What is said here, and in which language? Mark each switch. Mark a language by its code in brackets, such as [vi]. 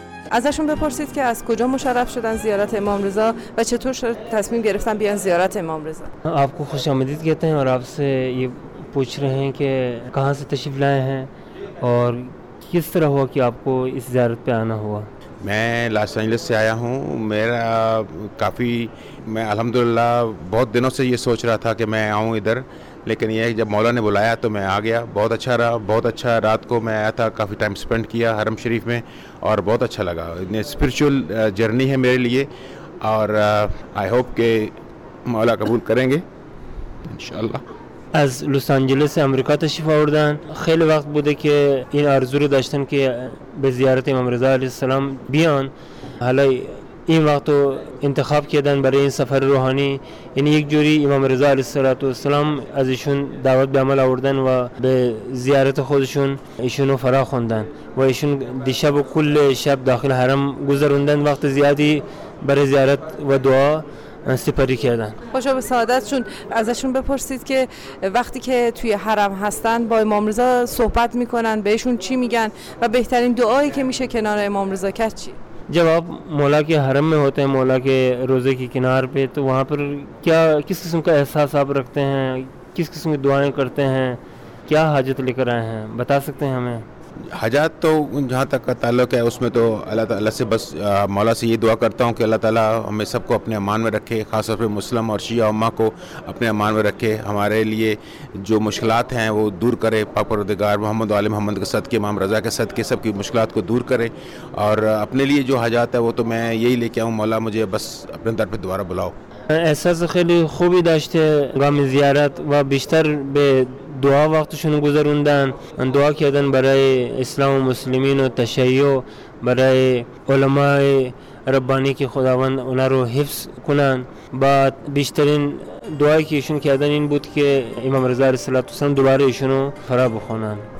[fa] ازشون بپرسید که از کجا مشرف شدن زیارت امام رضا و چطور شد تصمیم گرفتن بیان زیارت امام رضا. [ur] آپ کو خوش آمدید کہتے ہیں اور آپ سے یہ پوچھ رہے ہیں کہ کہاں سے تشریف لائے ہیں اور کس طرح ہوا کہ آپ کو اس زیارت پہ آنا ہوا. میں لاس اینجلس سے آیا ہوں. میرا کافی میں الحمدللہ بہت دنوں سے یہ سوچ رہا تھا کہ میں آؤں ادھر, لیکن یہ جب مولا نے بلایا تو میں آ گیا. بہت اچھا رہا, بہت اچھا رات کو میں آیا تھا, کافی [en] time spend [ur] کیا حرم شریف میں اور بہت اچھا لگا. [en] spiritual journey [ur] ہے میرے لیے اور [en] I hope [ur] کہ مولا قبول کریں گے انشاءاللہ. [fa] از لس آنجلس سے امریکہ تشریف آوردن, خیلی وقت بوده که این ارزو رو داشتن که به زیارت امام رضا علیه السلام بیان, حالا این وقت رو انتخاب کردن برای این سفر روحانی. یعنی یک جوری امام رضا علیه السلام از ایشون دعوت به عمل آوردن و به زیارت خودشون ایشون رو فرا خوندن و ایشون دیشب و کل شب داخل حرم گذروندن, وقت زیادی برای زیارت و دعا سپری کردن. خوشا به سعادتشون. ازشون بپرسید که وقتی که توی حرم هستن با امام رضا صحبت میکنن, بهشون چی میگن و بهترین دعایی که میشه کنار امام رضا کرد چی؟ [ur] جواب مولا کے حرم میں ہوتے ہیں, مولا کے روزے کی کنار پہ, تو وہاں پر کیا کس قسم کا احساس آپ رکھتے ہیں, کس قسم کی دعائیں کرتے ہیں, کیا حاجت لے کر آئے ہیں بتا سکتے ہیں ہمیں؟ حاجات تو جہاں تک کا تعلق ہے اس میں تو اللہ تعالیٰ سے بس مولا سے یہ دعا کرتا ہوں کہ اللہ تعالیٰ ہمیں سب کو اپنے امان میں رکھے, خاص طور پہ مسلم اور شیعہ امہ کو اپنے امان میں رکھے, ہمارے لیے جو مشکلات ہیں وہ دور کرے. پاک پروردگار محمد و آل محمد کے صدقے, امام رضا کے صدقے سب کی مشکلات کو دور کرے. اور اپنے لیے جو حاجات ہے وہ تو میں یہی لے کے آؤں, مولا مجھے بس اپنے در پہ دوبارہ بلاؤ. [fa] احساس خیلی خوبی داشتے گام زیارت و بیشتر بے دعا وقتشون گذروندن, دعا کردن برای اسلام و مسلمین و تشیع, برای علماء ربانی که خداوند اونا رو حفظ کنن. بعد بیشترین دعایی که ایشون کردن این بود که امام رضا علیه السلام دوباره ایشون رو فرا بخونن.